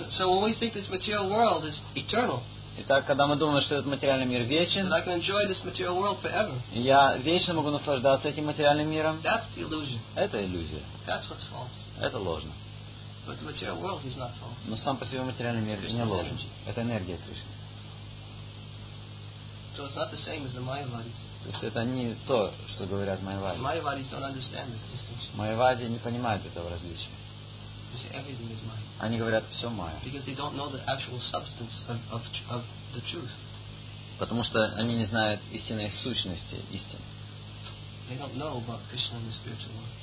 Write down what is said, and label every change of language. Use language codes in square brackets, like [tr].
[en] So when we think this material world is eternal. [ru] Итак, когда мы думаем, что этот материальный мир вечен, [en] that I can enjoy this material world forever. [ru] Я вечно могу наслаждаться этим материальным миром. [en] That's the illusion. [ru] Это иллюзия. [en] That's what's false. [ru] Это ложно. [en] But the material world is not false. [ru] Но сам по себе материальный мир не ложен. Это энергия Кришны. [en] So it's not the same as the Mayavadis. [ru] То есть это не то, что говорят Майявади. [en] Mayavadis don't understand this distinction. [ru] Mayavadi не понимают этого различия. [en] They say everything is Maya. [ru] Они говорят все Майя. [en] Because they don't know the actual substance of the truth. [ru] Потому что они не знают истинной сущности истины. [en] They don't know about Krishna in the spiritual world.